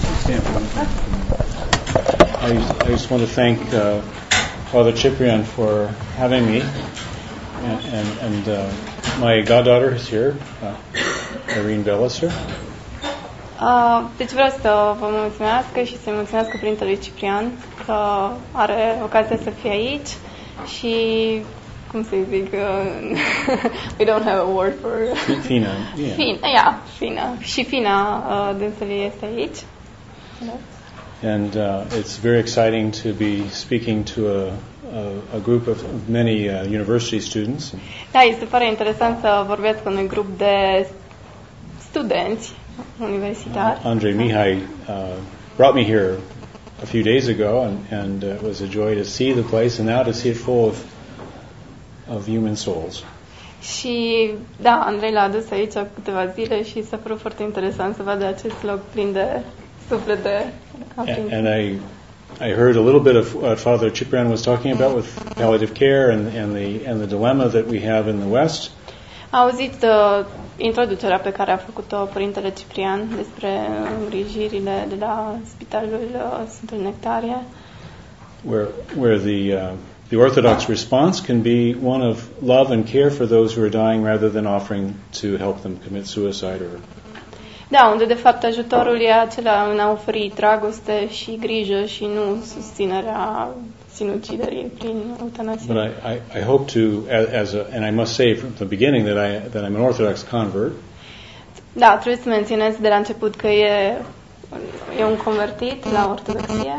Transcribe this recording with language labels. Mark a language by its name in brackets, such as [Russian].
[English] I just want to thank Father Ciprian for having me, and my goddaughter is here, Irene Bellisser. [Romanian] Deci vreau să vă mulțumesc și să-i mulțumesc părintelui Ciprian că are ocazia să fie aici și cum să-i zic, [English] we don't have a word for it. Fina, yeah. [Romanian] Fina. Și Fina dânsul este aici. [English] And it's very exciting to be speaking to a group of many university students. [Romanian] Da, este foarte interesant să vorbesc cu un grup de studenți universitari. [English] Andrei Mihai brought me here a few days ago, and it was a joy to see the place and now to see it full of human souls. [Romanian] Și da, Andrei l-a adus aici câteva zile și s-a părut foarte interesant să vadă acest loc plin de suflete. [English] And I heard a little bit of what Father Ciprian was talking about with palliative care and the dilemma that we have in the West. [Romanian] A auzit introducerea pe care a făcut-o părintele Ciprian despre îngrijirile de la spitalul Sfântul Nectarie. [English] Where the Orthodox response can be one of love and care for those who are dying rather than offering to help them commit suicide or... [Romanian] Da, unde de fapt ajutorul e acela în a oferi dragoste și grijă și nu susținerea sinuciderii prin eutanasie. [English] But I hope to, and I must say from the beginning that I'm an Orthodox convert. [Romanian] Da, trebuie să menționez de la început că e un convertit la ortodoxie.